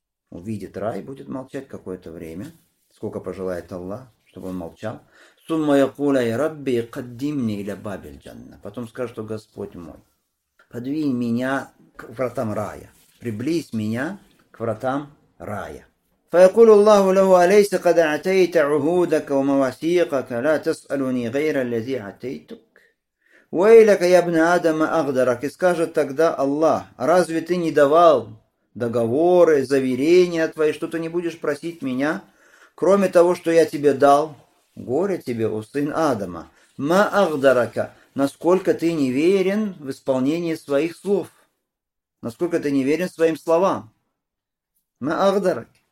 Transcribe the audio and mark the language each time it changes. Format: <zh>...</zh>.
<ru>Увидит рай, будет молчать какое-то время. Сколько пожелает Аллах, чтобы он молчал.</ru> <ar>Сумма якуля и рабби каддимни иля бабель джанна.</ar> <ru>Потом скажет, что: Господь мой, подвинь меня к вратам рая. Приблизь меня к вратам рая.</ru> <ar>فيقول الله له أليس قد أعطيت عهودك ومواثيقك لا تسألني غير الذي أعطيتك ويلك يا ابن آدم أغدرك.</ar> <ru>И скажет тогда Аллах: разве ты не давал договоры, заверения твои, что ты не будешь просить меня, кроме того, что я тебе дал? Горе тебе, о сын Адама.</ru> <ar>Ма агдарака,</ar> <ru>насколько ты не верен в исполнении своих слов, насколько ты не верен своим словам.</ru> <ar>Ма агдарак.</ar>